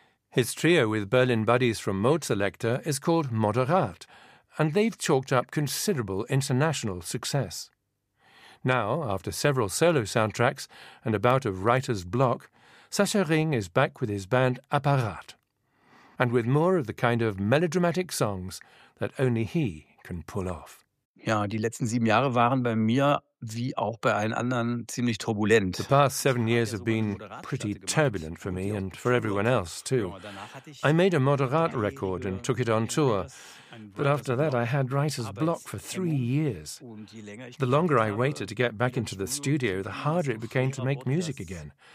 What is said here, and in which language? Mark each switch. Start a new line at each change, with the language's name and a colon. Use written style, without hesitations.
English: His trio with Berlin buddies from Mozelector is called Moderat, and they've chalked up considerable international success. Now, after several solo soundtracks and a bout of writer's block, Sascha Ring is back with his band Apparat, and with more of the kind of melodramatic songs that only he can pull off.
German: Ja, die letzten 7 Jahre waren bei mir, wie auch bei allen anderen, ziemlich turbulent.
English: The past 7 years have been pretty turbulent for me and for everyone else, too. I made a Moderat record and took it on tour. But after that, I had writer's block for 3 years. The longer I waited to get back into the studio, the harder it became to make music again.